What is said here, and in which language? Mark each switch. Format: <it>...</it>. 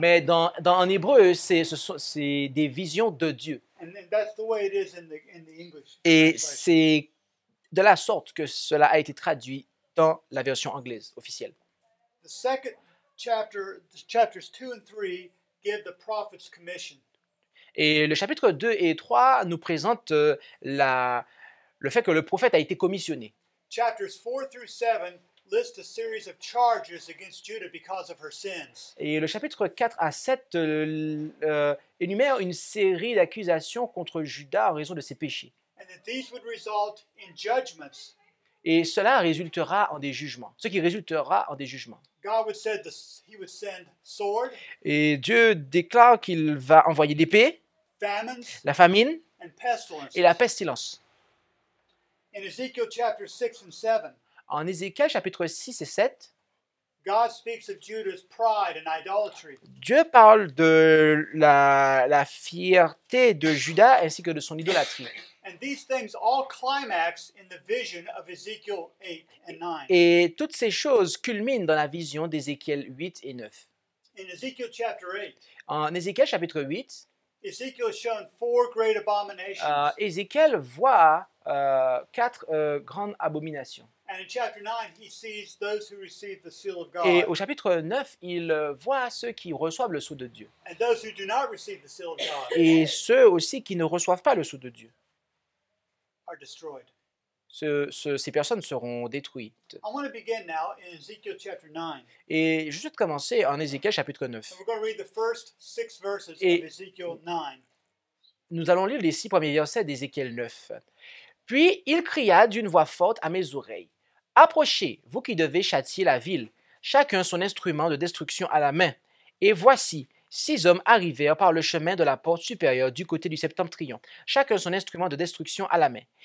<fr>Mais dans en hébreu, c'est des visions de Dieu.</fr> <en>And that's the way it is in the English.</en> <fr>Et c'est de la sorte que cela a été traduit dans la version anglaise officielle.</fr> <en>The second chapter, chapters 2 and 3, give the prophet's commission.</en> <fr>Et le chapitre 2 et 3 nous présente le fait que le prophète a été commissionné.</fr> <en>Chapters 4 through 7 list a series of charges against Judah because of her sins.</en> <fr>Et le chapitre 4 à 7 énumère une série d'accusations contre Juda en raison de ses péchés.</fr> <en>And that these would result in judgments.</en> <fr>Et cela résultera en des jugements. Ce qui résultera en des jugements.</fr> <en>God would say he would send sword,</en> <fr>et Dieu déclare qu'il va envoyer l'épée,</fr> <en>famines,</en> <fr>la famine</fr> <en>and pestilence.</en> <fr>Et la pestilence.</fr> <en>In Ezekiel chapter 6 and 7,</en> <fr>en Ézéchiel chapitre 6 et 7,</fr> <en>God speaks of Judah's pride and idolatry.</en> <fr>Dieu parle de la fierté de Juda ainsi que de son idolâtrie.</fr> <en>And these things all climax in the vision of Ezekiel 8 and 9.</en> <fr>Et toutes ces choses culminent dans la vision d'Ézéchiel 8 et 9.</fr> <en>In Ezekiel chapter 8.</en> <fr>En Ézéchiel chapitre 8.</fr> <en>Ezekiel is shown four great abominations.</en> <fr>Ézéchiel voit quatre grandes abominations.</fr> <en>And in chapter 9, he sees those who receive the seal of God.</en> <fr>Et au chapitre 9, il voit ceux qui reçoivent le sceau de Dieu.</fr> <en>And those who do not receive the seal of God.</en> <fr>Et ceux aussi qui ne reçoivent pas le sceau de Dieu.</fr> <en>Are destroyed.</en> <fr>Ces personnes seront détruites.</fr> <en>I want to begin now in Ezekiel chapter 9.</en> <fr>Et je souhaite commencer en Ézéchiel chapitre 9.</fr> <en>And we're going to read the first six verses of Ezekiel 9.</en> <fr>Nous allons lire les six premiers versets d'Ézéchiel 9. Puis il cria d'une voix forte à mes oreilles. Approchez, vous qui devez châtier la ville, chacun son instrument de destruction à la main. Et voici, six hommes arrivèrent par le chemin de la porte supérieure du côté du septentrion, chacun son instrument de destruction à la main.</fr>